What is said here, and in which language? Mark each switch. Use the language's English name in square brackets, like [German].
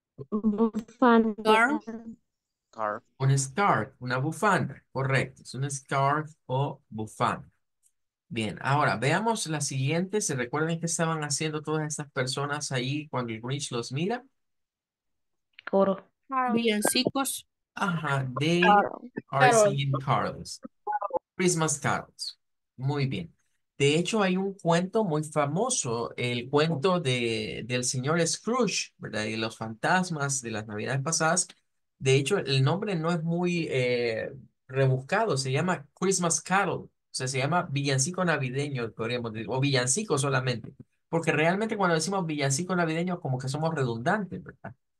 [Spanish] Bufanda. [English] Scarf. [Spanish] Un scarf, una bufanda, correcto, es un scarf o bufanda. Bien, ahora veamos la siguiente. ¿Se recuerdan qué estaban haciendo todas estas personas ahí cuando el Grinch los mira? Coro. Villancicos. Ajá, [English] they are singing carols. Christmas carols. [Spanish] Muy bien. De hecho, hay un cuento muy famoso, el cuento del señor Scrooge, ¿verdad? Y los fantasmas de las Navidades pasadas. De hecho, el nombre no es muy rebuscado, se llama Christmas Carol. O sea, se llama villancico navideño, podríamos decir, o villancico solamente, porque realmente cuando decimos villancico navideño como que somos redundantes, ¿verdad?